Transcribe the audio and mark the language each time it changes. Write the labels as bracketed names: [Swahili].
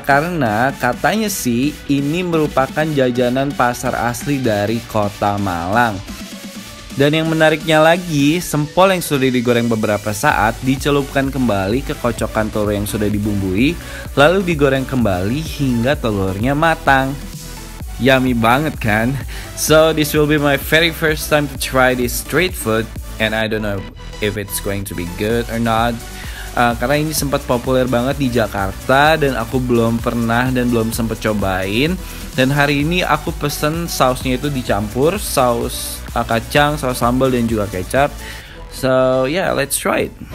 [Indonesian] Karena katanya sih ini merupakan jajanan pasar asli dari Kota Malang. Dan yang menariknya lagi, Sempol yang sudah digoreng beberapa saat dicelupkan kembali ke kocokan telur yang sudah dibumbui, lalu digoreng kembali hingga telurnya matang. Yummy banget kan? [English] So this will be my very first time to try this street food, and I don't know if it's going to be good or not. [Indonesian] Karena ini sempat populer banget di Jakarta dan aku belum pernah dan belum sempat cobain. Dan hari ini aku pesen sausnya itu dicampur saus kacang, saus sambal dan juga kecap. [English] So yeah, let's try it.